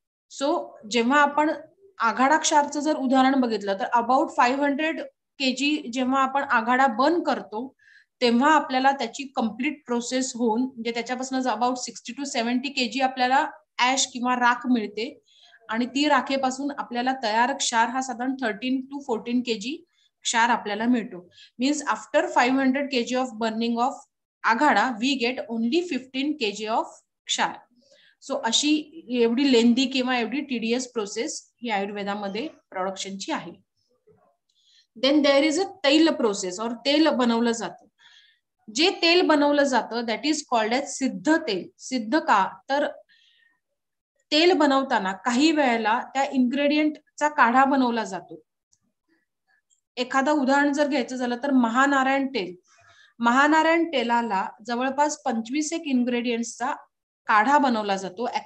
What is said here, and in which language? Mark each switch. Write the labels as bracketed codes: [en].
[mr] So जेव्हा आपण आघाडा क्षारचं जर उदाहरण बघितलं तर अबाउट 500 kg जेव्हा आपण आघाडा बर्न करतो तेव्हा आपल्याला त्याची कम्प्लीट प्रोसेस होऊन म्हणजे त्याच्यापासून अबाउट 60-70 kg आपल्याला ॲश किंवा राख मिळते आणि ती राखेपासून आपल्याला तयार क्षार हा साधारण 13-14 kg क्षार आपल्याला मिळतो. [en] Means after 500 kg of burning of आघाडा we get only 15 kg of क्षार. [mr] सो अशी एवढी लेंदी किंवा एवढी टीडीएस प्रोसेस ही आयुर्वेदामध्ये प्रोडक्शनची आहे. [en] then there is a taila process or [mr] तेल बनवलं जातं. जे तेल बनवलं जातं [en] That is called as siddha tel. [mr] सिद्ध का तर तेल बनवताना काही वेळेला त्या इन्ग्रेडियंटचा काढा बनवला जातो. एखादं उदाहरण जर घ्यायचं झालं तर महानारायण तेल. महानारायण तेलाला जवळपास 25 इन्ग्रेडियंट्सचा काढा बनवला जातो.